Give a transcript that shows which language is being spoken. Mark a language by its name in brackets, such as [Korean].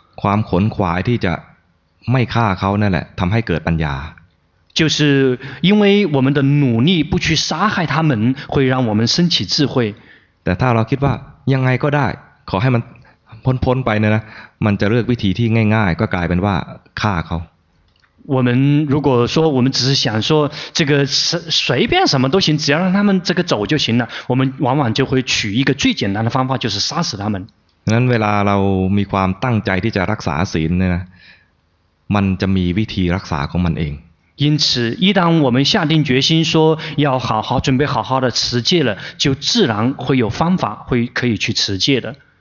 [Thai] ความขนขวายที่จะไม่ฆ่าเขานั่นแหละทำให้เกิดปัญญา [Chinese] 就是因为我们的努力不去杀害他们会让我们生起智慧 [Thai] แต่ถ้าเราคิดว่ายังไงก็ได้ขอให้มันพ้นไปนะมันจะเลือกวิธีที่ง่ายๆก็กลายเป็นว่าฆ่าเขา [Chinese] 我们如果说我们只是想说这个随便什么都行只要让他们这个走就行了我们往往就会取一个最简单的方法就是杀死他们 [Thai] นั้นเวลาเรามีความตั้งใจที่จะรักษาศีลนะมันจะมีวิธีรักษาของมันเอง [Chinese] 因此一旦我们下定决心说要好好准备好好的持戒了就自然会有方法会可以去持戒的